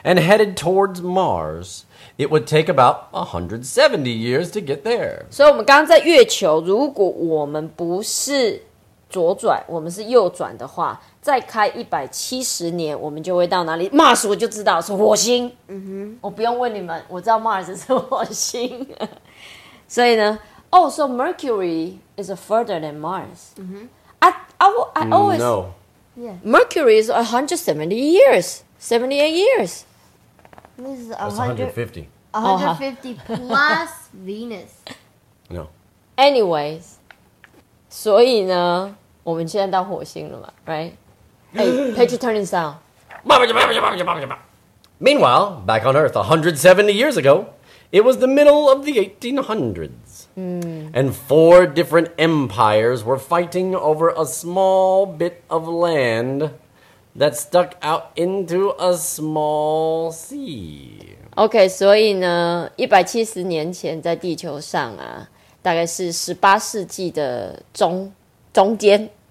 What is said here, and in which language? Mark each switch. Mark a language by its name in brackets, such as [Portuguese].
[English] and headed towards Mars, it would take about 170 years to get there. [Chinese] 所以我们刚刚在月球，如果我们不是左转，我们是右转的话，再开170年，我们就会到哪里？ Mars 我就知道是火星。我不用问你们，我知道 Mars 是火星。所以呢 [English] ，Oh, so Mercury is further than Mars. I always no. Mercury is 170 years, 78 years. This is 150 plus Venus. No. [Chinese] Anyways, 所以呢。我们现在到火星了嘛 ，right？哎、，Page turning sound。 [English] Meanwhile, back on Earth, 170 years ago, it was the middle of the 1800s,、mm. and four different empires were fighting over a small bit of land that stuck out into a small sea. [Chinese] OK， 所以呢，170年前在地球上啊，大概是18世纪的中间。